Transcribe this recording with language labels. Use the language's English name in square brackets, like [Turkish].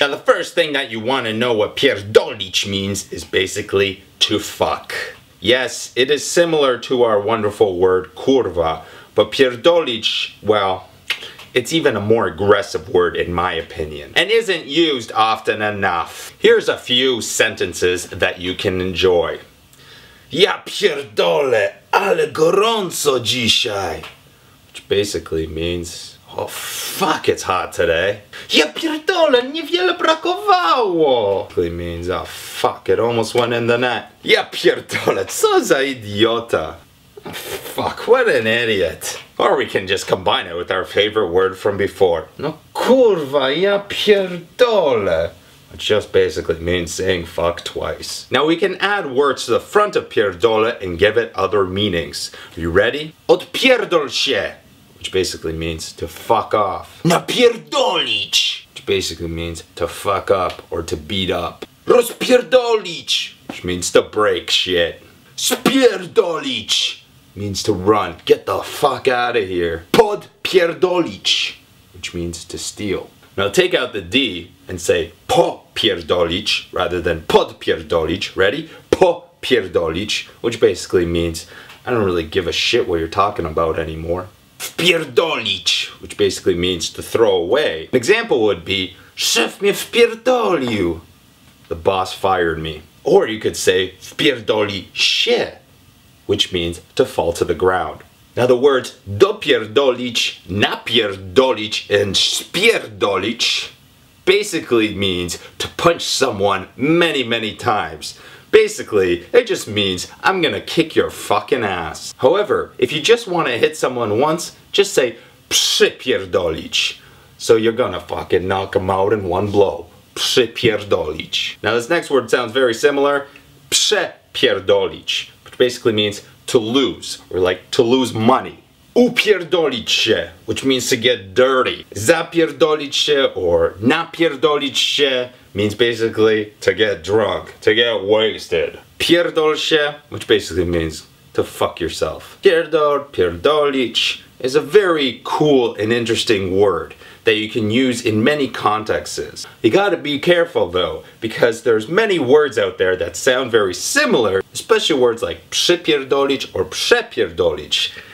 [English] Now, the first thing that you want to know what pierdolić means is basically to fuck. Yes, it is similar to our wonderful word kurwa, but pierdolić, well, it's even a more aggressive word in my opinion, and isn't used often enough. Here's a few sentences that you can enjoy. [Polish] Ja pierdolę, ale gorąco dzisiaj. [English] Which basically means, oh fuck, it's hot today. [Polish] Ja pierdolę, niewiele brakowało. [English] Basically means, oh fuck, it almost went in the net. [Polish] Ja pierdolę, co za idiota. [English] Fuck, what an idiot. Or we can just combine it with our favorite word from before. [Polish] No kurwa, ja pierdolę. [English] Which just basically means saying fuck twice. Now we can add words to the front of pierdolę and give it other meanings. Are you ready? [Polish] Odpierdol się. [English] Which basically means to fuck off. Napierdolić. Which basically means to fuck up or to beat up. Rozpierdolić. Which means to break shit. Spierdolić. Means to run. Get the fuck out of here. Podpierdolić. Which means to steal. Now take out the D and say popierdolić rather than podpierdolić. Ready? [Polish] Popierdolić. [English] Which basically means I don't really give a shit what you're talking about anymore. Wpierdolić, which basically means to throw away. An example would be, [Polish] szef mnie wpierdolił. [English] The boss fired me. Or you could say, [Polish] wpierdoli się, [English] which means to fall to the ground. Now the words dopierdolić, napierdolić, and spierdolić basically means to punch someone many, many times. Basically, it just means I'm gonna kick your fucking ass. However, if you just wanna hit someone once, just say przypierdolić. So you're gonna fucking knock them out in one blow. Przypierdolić. Now this next word sounds very similar. Przepierdolić. Which basically means to lose, or like to lose money. [Polish] Upierdolić się, [English] which means to get dirty. [Polish] Zapierdolić się [English] or [Polish] napierdolić się [English] means basically to get drunk, to get wasted. [Polish] Pierdol się, [English] which basically means to fuck yourself. Pierdol, pierdolić is a very cool and interesting word that you can use in many contexts. You gotta be careful though, because there's many words out there that sound very similar, especially words like przypierdolić or przepierdolić.